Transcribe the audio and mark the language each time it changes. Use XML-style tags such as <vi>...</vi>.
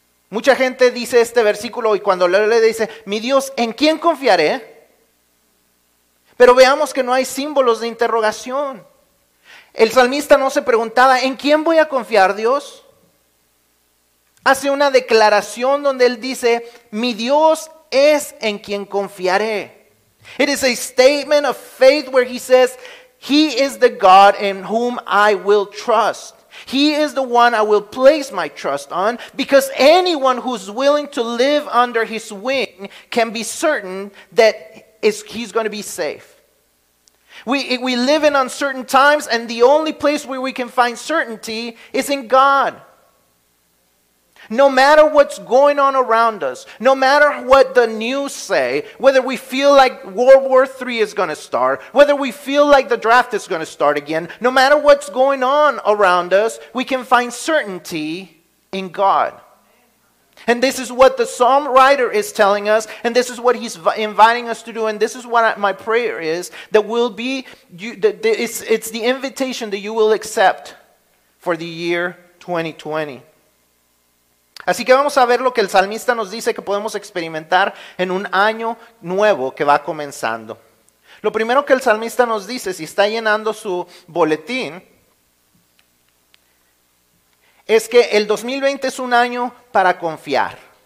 <es>Mucha gente dice este versículo y cuando le dice, mi Dios, ¿en quién confiaré? Pero veamos que no hay símbolos de interrogación. El salmista no se preguntaba, ¿en quién voy a confiar, Dios? Hace una declaración donde él dice, mi Dios es en quien confiaré.</es> <en>It is a statement of faith where he says, he is the God in whom I will trust. He is the one I will place my trust on, because anyone who's willing to live under his wing can be certain that he's going to be safe. We live in uncertain times, and the only place where we can find certainty is in God. No matter what's going on around us, no matter what the news say, whether we feel like World War III is going to start, whether we feel like the draft is going to start again, no matter what's going on around us, we can find certainty in God. And this is what the psalm writer is telling us, and this is what he's inviting us to do, and this is what my prayer is, that will be, it's the invitation that you will accept for the year 2020.</en> <es>Así que vamos a ver lo que el salmista nos dice que podemos experimentar en un año nuevo que va comenzando. Lo primero que el salmista nos dice, si está llenando su boletín, es que el 2020 es un año para confiar.</es>